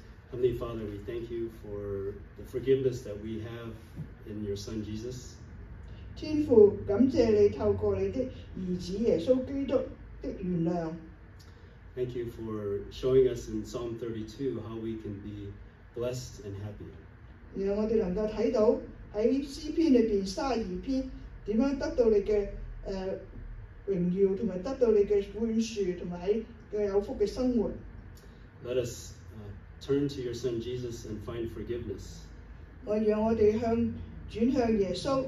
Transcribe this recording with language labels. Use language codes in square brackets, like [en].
[en] Heavenly Father, we thank you for the forgiveness that we have in your Son Jesus. [zh] 天父，感谢你透过你的儿子耶稣基督。 [en] Thank you for showing us in Psalm 32 how we can be blessed and happy. Let us turn to your Son Jesus and find forgiveness.